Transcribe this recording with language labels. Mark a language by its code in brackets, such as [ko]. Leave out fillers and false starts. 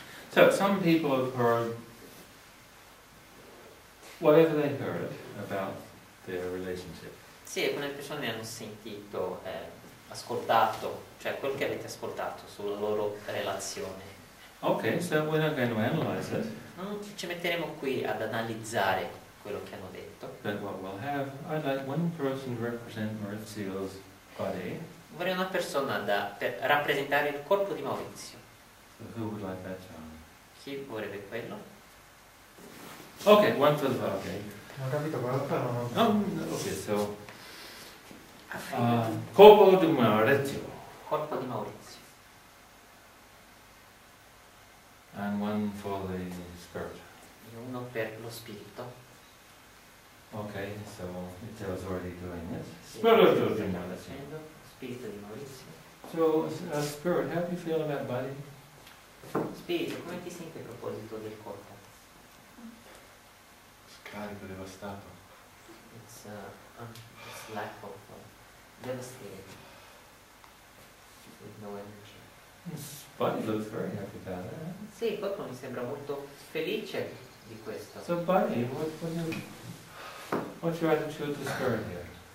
[en] Some people have heard whatever they heard about their relationship. [it] Sì, alcune persone hanno sentito, ascoltato, cioè quel che avete ascoltato sulla loro relazione. [en] Okay, so we're not going to analyze it. [it] Non ci metteremo qui ad analizzare quello che hanno detto. [en] But what we'll have, I'd like one person to represent Maurizio's body. [it] Vorrei una persona per rappresentare il corpo di Maurizio. [en] So who would like that job? [it] Chi vorrebbe quello? [en] Ok, one for the bar, ok. [it] Non ho capito, guarda, no. [en] Ok, so... [it] corpo di Maurizio. Corpo di Maurizio. [en] And one for the spirit. [it] E uno per lo spirito. [en] Okay, so it was already doing this. Spirit of the Maurizio. So, Spirit, how do you feel about body? [it] Spirito, come ti senti a proposito del corpo? Scarico, devastato. [en] It's lack of devastating. With no energy. Buddy looks very happy about that. [it] Sì, Buddy mi sembra molto felice di questo. [en] So, Buddy, what's your attitude to Spirit here?